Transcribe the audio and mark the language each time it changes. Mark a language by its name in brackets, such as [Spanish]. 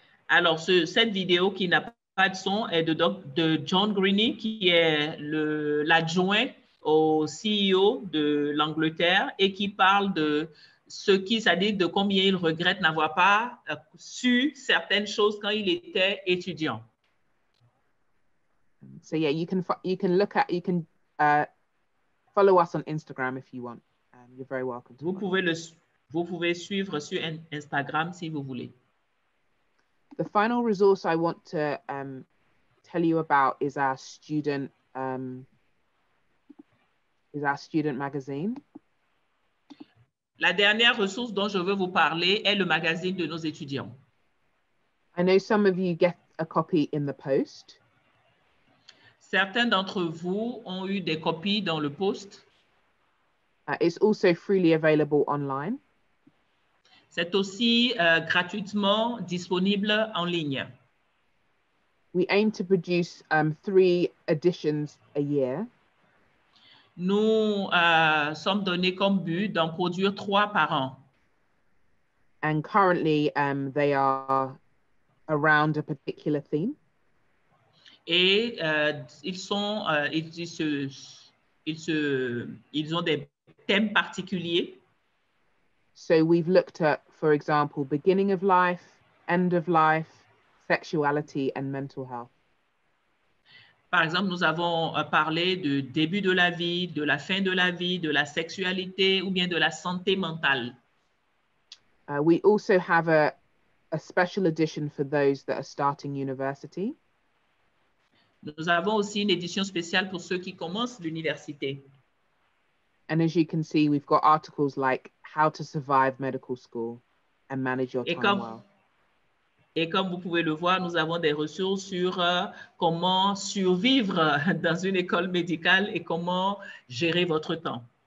[French] Alors, cette vidéo qui n'a pas de son est de John Greenall, qui est l'adjoint au CEO de l'Angleterre et qui parle de ce qui s'indique de combien il regrette n'avoir pas su certaines choses quand il était étudiant. [English] So yeah, follow us on Instagram if you want. You're very welcome. [French] Vous pouvez suivre sur Instagram si vous voulez. [English] The final resource I want to tell you about is our student magazine. [French] La dernière ressource dont je veux vous parler est le magazine de nos étudiants. [English] I know some of you get a copy in the post. [French] Certains d'entre vous ont eu des copies dans le post. [English] It's also freely available online. [French] C'est aussi gratuitement disponible en ligne. [English] We aim to produce 3 editions a year. [French] Nous sommes donnés comme but d'en produire 3 par an. [English] And currently, they are around a particular theme. [French] Et ils ont des thèmes particuliers. [English] So we've looked at, for example, beginning of life, end of life, sexuality and mental health. [French] Par exemple, nous avons parlé du début de la vie, de la fin de la vie, de la sexualité ou bien de la santé mentale. [English] We also have a special edition for those that are starting university. [French] Nous avons aussi une édition spéciale pour ceux qui commencent l'université. [English] And as you can see, we've got articles like How to Survive Medical School and Manage Your Time Well. [French] Et comme vous pouvez le voir, nous avons des ressources sur comment survivre dans une école médicale et comment gérer votre temps.